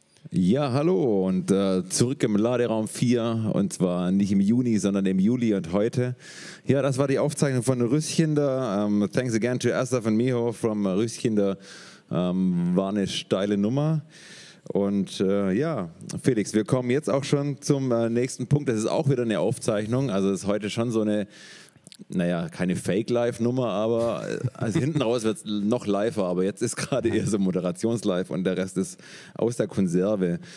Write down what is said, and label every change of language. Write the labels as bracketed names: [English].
[German] Ja, hallo und zurück im Laderaum 4 und zwar nicht im Juni, sondern im Juli und heute. Ja, das war die Aufzeichnung von Rüsskinder. [English] Thanks again to Asaf and Miho from Rüsskinder. [German] War eine steile Nummer. Und ja, Felix, wir kommen jetzt auch schon zum nächsten Punkt. Das ist auch wieder eine Aufzeichnung. Also ist heute schon so eine, naja, keine Fake-Live-Nummer, aber also hinten raus wird es noch liver. Aber jetzt ist gerade eher so Moderations-Live und der Rest ist aus der Konserve.